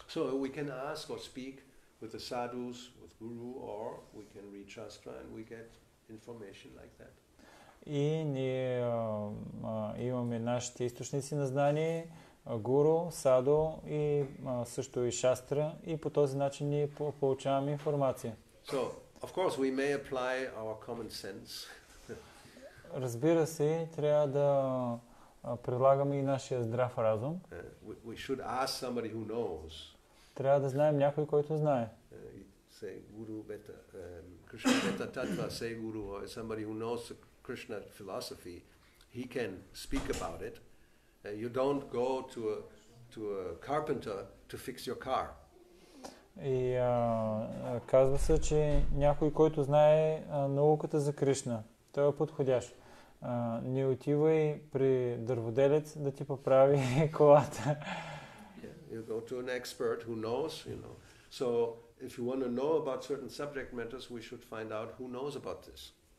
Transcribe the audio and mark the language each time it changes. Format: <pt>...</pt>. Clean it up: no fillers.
<en>So we can ask or speak with the Sadhus, with Guru, or we can read Shastra and we get information like that.</en> <bg>И ние имаме нашите източници на знание, Гуру, Садо и също и Шастра, и по този начин ние получаваме информация.</bg> <en>So, of course, we may apply our common sense.</en> <bg>Разбира се, трябва да прилагаме и нашия здрав разум.</bg> <en>We should ask somebody who knows.</en> <bg>Трябва да знаем някой, който знае.</bg> <en>Say Guru Beta, Krishna Beta Tattva, say Guru, or somebody who knows the Krishna philosophy, he can speak about it. You don't go to a carpenter to fix your car.</en> <bg>И казва се, че някой, който знае науката за Кришна, той е подходящ. Не отивай при дърводелец да ти поправи колата.</bg> <en>Yeah, you go to an expert who knows, you know. So if you want to know about certain subject matters, we should find out who knows about this.</en>